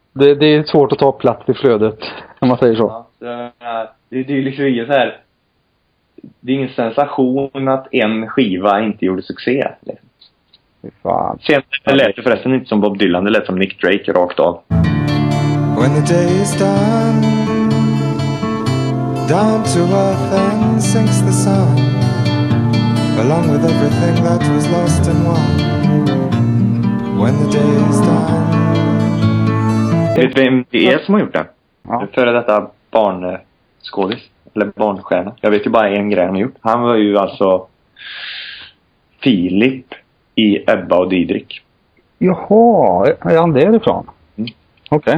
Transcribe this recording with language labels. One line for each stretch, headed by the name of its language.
Swedish: Det är svårt att ta plats i flödet, om man säger så. Ja, det är liksom inget så här. Det är ingen sensation att en skiva inte gjorde succé. Fan. Det lät förresten inte som Bob Dylan, det lät som Nick Drake rakt av.
English: When the day is done, down to earth and sinks the sun, along with everything that was lost and won. When the day is done.
Swedish: Vet vem det är som har gjort det? Ja. Före detta barnskådis. Eller barnstjärna. Jag vet ju bara en grej han har gjort. Han var ju alltså Filip i Ebba och Didrik. Jaha, är han därifrån? Mm. Okej.